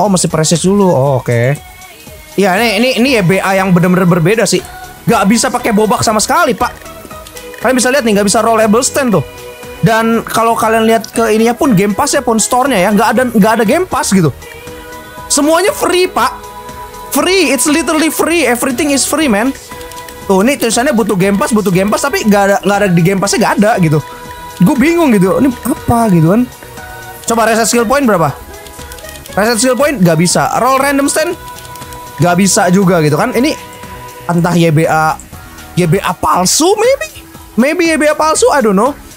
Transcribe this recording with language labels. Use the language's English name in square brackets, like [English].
[Indonesian] Oh, masih preses dulu. Oh, oke. Okay. Ya, ini YBA yang benar-benar berbeda sih. Gak bisa pakai bobak sama sekali, Pak. Kalian bisa lihat nih, gak bisa rollable stand tuh. Dan kalau kalian lihat ke ininya pun, game pass-nya pun store-nya ya, gak ada game pass gitu. Semuanya free, Pak. [English] Free, it's literally free. Everything is free, man. [Indonesian] Tuh, ini tulisannya butuh game pass, tapi gak ada di game pass-nya, gak ada gitu. Gue bingung gitu, ini apa gitu kan. Coba reset skill point berapa? Reset skill point gak bisa. Roll random stand gak bisa juga gitu kan. Ini entah YBA palsu maybe YBA palsu, [English] I don't know.